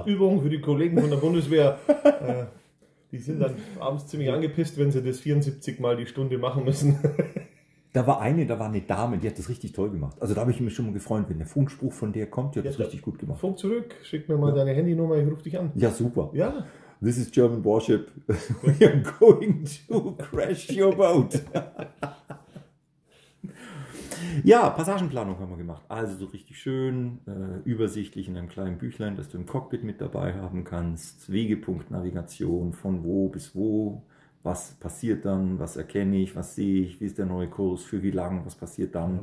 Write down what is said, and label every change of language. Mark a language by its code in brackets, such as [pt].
[de] Top-Übung für die Kollegen von der Bundeswehr. die sind dann abends ziemlich angepisst, wenn sie das 74 Mal die Stunde machen müssen. Da war eine Dame, die hat das richtig toll gemacht. Also da habe ich mich schon mal gefreut, wenn der Funkspruch von der kommt, die hat das richtig gut gemacht. Funk zurück, schick mir mal deine Handynummer, ich rufe dich an. Ja, super. Ja. [en] This is German Warship. We are going to crash your boat. [de] Ja, Passagenplanung haben wir gemacht. Also so richtig schön, übersichtlich in einem kleinen Büchlein, das du im Cockpit mit dabei haben kannst. Wegepunktnavigation, von wo bis wo. Was passiert dann? Was erkenne ich? Was sehe ich? Wie ist der neue Kurs? Für wie lange? Was passiert dann?